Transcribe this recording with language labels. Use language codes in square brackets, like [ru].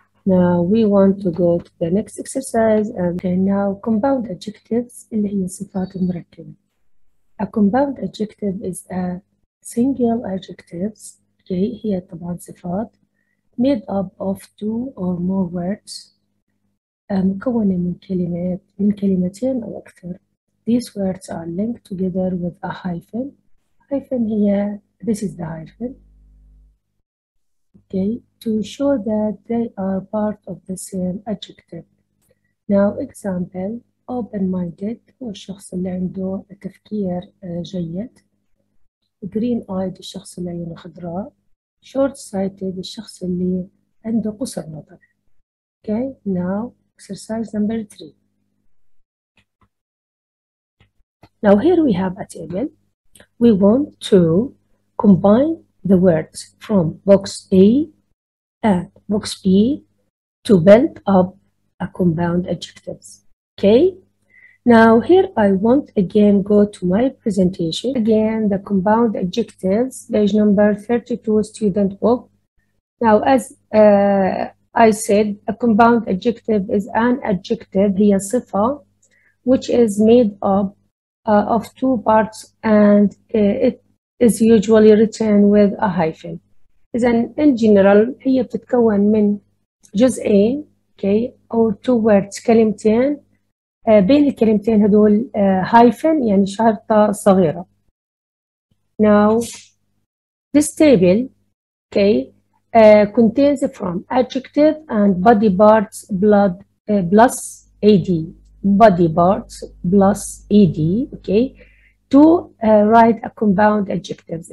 [en] Now we want to go to the next exercise. And okay, now compound adjectives. [ar] اللي هي صفات المركبة. [en] A compound adjective is a single adjective. Okay, [ar] هي طبعا صفات [en] made up of two or more words. [ar] مكونة من كلمات من كلمتين أو أكثر. [en] These words are linked together with a hyphen. Hyphen هي this is the hyphen. Okay, to show that they are part of the same adjective. Now example, [ar] open-minded هو الشخص اللي عنده تفكير جيد. Green-eyed الشخص اللي عيونه خضراء. Short-sighted الشخص اللي عنده قصر نظر. [en] Okay, now exercise number 3. Now here we have a table. We want to combine the words from box A and box B to build up a compound adjectives. Okay? Now here I want again go to my presentation. Again, the compound adjectives, page number 32, student book. Now as I said, a compound adjective is an adjective, [ar] هي صفة, [en] which is made up of two parts and it is usually written with a hyphen. [ar] إذن [en] in general [ar] هي بتتكون من جزئين, okay, [en] or two words, [ar] كلمتين, بين الكلمتين هدول hyphen, يعني شرطة صغيرة. [en] Now this table, okay, contains from adjective and body parts blood plus AD. Body parts plus ed, okay, to write a compound adjectives.